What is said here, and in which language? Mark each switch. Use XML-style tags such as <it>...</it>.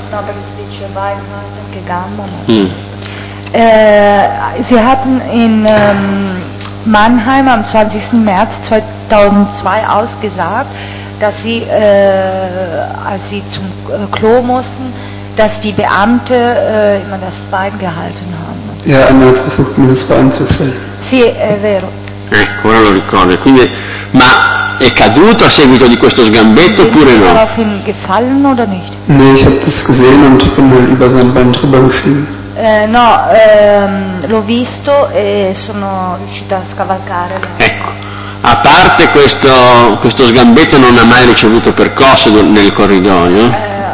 <it>No, perché si dice gambe.</it> <de>Sie hatten in Mannheim am 20. März 2002 ausgesagt, dass sie, als sie zum Klo mussten, dass die Beamte immer das Bein gehalten haben. Ja,</de> <it>hanno</it> <de>versucht, mir das Bein zu stellen.</de> <it>Sì, è vero. Ecco, ora lo ricordo. Quindi, ma è caduto a seguito di questo sgambetto oppure no?</it> <de>Daraufhin gefallen oder nicht? Nee, ich habe das gesehen und bin halt über sein Bein drüber geschrieben.</de> <it>No, l'ho visto e sono riuscita a scavalcare. Ecco, a parte questo sgambetto non ha mai ricevuto percosse nel corridoio?</it>